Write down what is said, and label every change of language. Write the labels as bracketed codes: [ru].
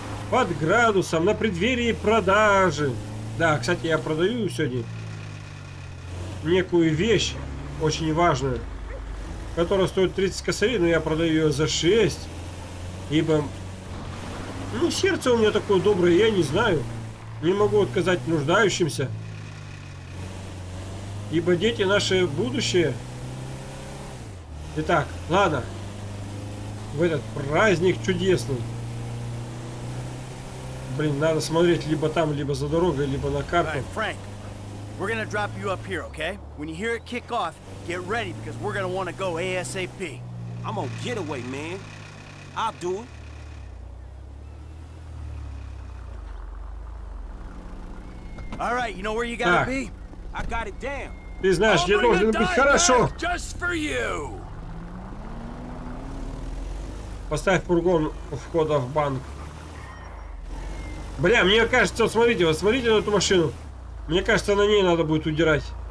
[ru] Под градусом, на преддверии продажи. Да, кстати, я продаю сегодня некую вещь, очень важную, которая стоит 30 косарей, но я продаю ее за 6, ибо, ну, сердце у меня такое доброе, я не знаю, не могу отказать нуждающимся, ибо дети наше будущее. Итак, ладно, в этот праздник чудесный. Блин, надо смотреть либо там, либо за дорогой, либо на карту. [en] Right, Frank, we're gonna drop you up here, okay? When you hear it kick off, get ready, because we're gonna wanna go ASAP. I'm on getaway, man. I'll do it. All right, you know where you gotta be? I got it down. [ru] Ты знаешь, где должен быть, хорошо. [en] Just for you. [ru] Поставь фургон у входа в банк. Бля, мне кажется, вот смотрите, вот смотрите на эту машину. Мне кажется, на ней надо будет удирать.